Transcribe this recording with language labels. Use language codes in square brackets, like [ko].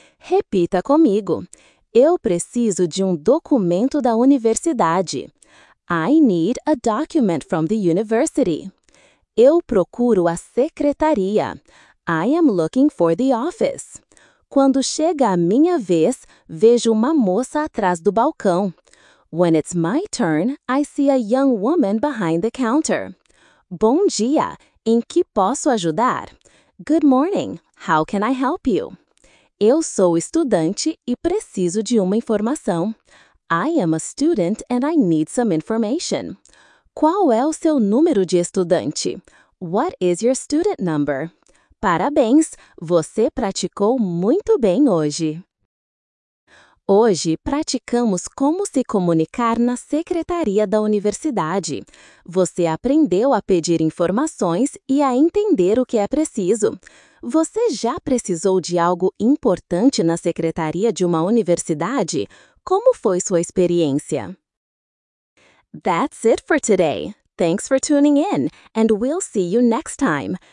[pt] Repita comigo. Eu preciso de um documento da universidade. [en] I need a document from the university. [pt] Eu procuro a secretaria. [en] I am looking for the office. [pt] Quando chega a minha vez, vejo uma moça atrás do balcão. [en] When it's my turn, I see a young woman behind the counter. [pt] Bom dia! Em que posso ajudar? [en] Good morning. How can I help you? [pt] Eu sou estudante e preciso de uma informação. [en] I am a student and I need some information. [pt] Qual é o seu número de estudante? [en] What is your student number? [pt] Parabéns! Você praticou muito bem hoje. Hoje, praticamos como se comunicar na secretaria da universidade. Você aprendeu a pedir informações e a entender o que é preciso. Você já precisou de algo importante na secretaria de uma universidade? Como foi sua experiência? [en] That's it for today. Thanks for tuning in, and we'll see you next time.